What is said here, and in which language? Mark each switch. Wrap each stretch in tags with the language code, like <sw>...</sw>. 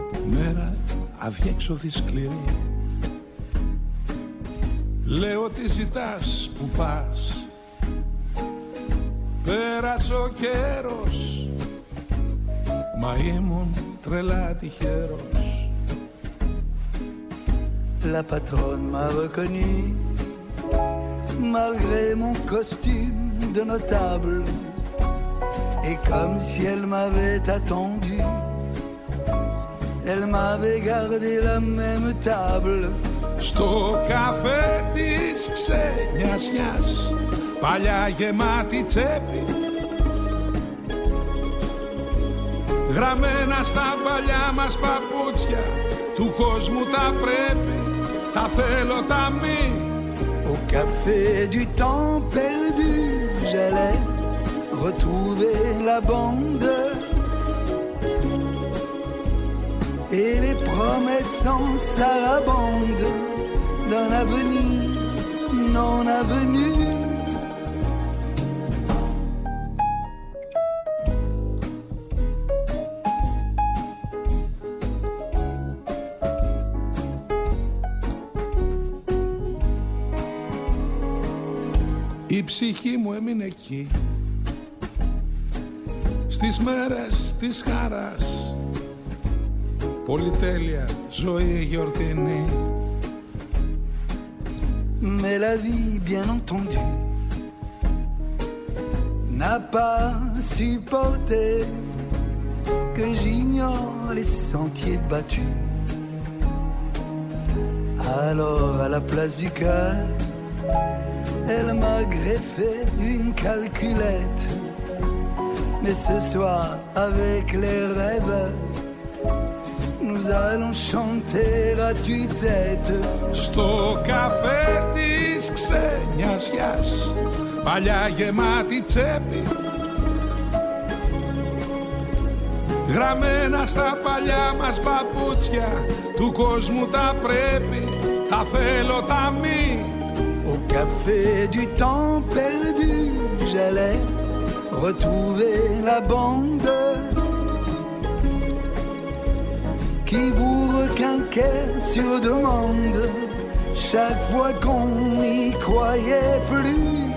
<el>Μέρα αδιέξοδη σκληρή. Λέω τι ζητάς που πας. Πέρασε ο καιρός, μα ήμουν τρελά τυχερός.</el> <fr>La patronne m'a reconnu malgré mon costume de notable, et comme si elle m'avait attendu, elle m'avait gardé la même table.</fr> <el>Στο καφέ της ξενιασιάς, παλιά γεμάτη τσέπη, γραμμένα στα παλιά μας παπούτσια, του κόσμου τα πρέπει, τα θέλω τα μη.</el> <fr>Au café du temps perdu, j'allais retrouver la bande et les promesses en sarabande d'un avenir non avenu.</fr> <el>Η ψυχή μου έμεινε εκεί, στις μέρες της χαράς, Πολυτέλεια ζωή γιορτινή.</el> <fr>Mais la vie, bien entendu, n'a pas supporté que j'ignore les sentiers battus. Alors, à la place du cœur, elle m'a greffé une calculette. Mais ce soir, avec les rêves, nous allons chanter à tue-tête.</fr> <el>Στο καφέ της ξενιασιάς, παλιά γεμάτη τσέπη, γραμμένα στα παλιά μας παπούτσια, του κόσμου τα πρέπει, τα θέλω τα μη.</el> <fr>Au café du temps perdu, j'allais retrouver la bande qui vous requinquait sur demande chaque fois qu'on n'y croyait plus.</fr>